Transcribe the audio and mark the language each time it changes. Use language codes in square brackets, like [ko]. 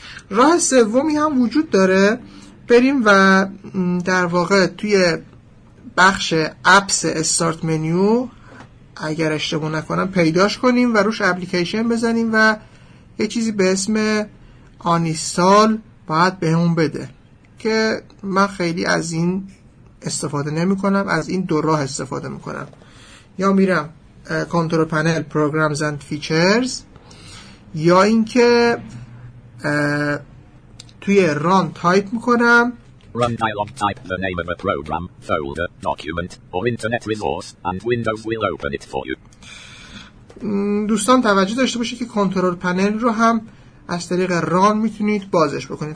[fa] راه سومی هم وجود داره، بریم و در واقع توی بخش اپس استارت منیو اگر اشتباه نکنم پیداش کنیم و روش اپلیکیشن بزنیم و یه چیزی به اسم آنیستال باید بهمون بده، که من خیلی از این استفاده نمی کنم، از این دو راه استفاده می کنم. یا میرم کنترل پنل پروگرامز اند فیچرز، یا اینکه توی ران تایپ می کنم [en] Run dialog type the name of a program, folder, document, or internet resource, and Windows will open it for you. [fa] دوستان توجه داشته باشید که کنترل پنل رو هم از طریق ران میتونید بازش بکنید.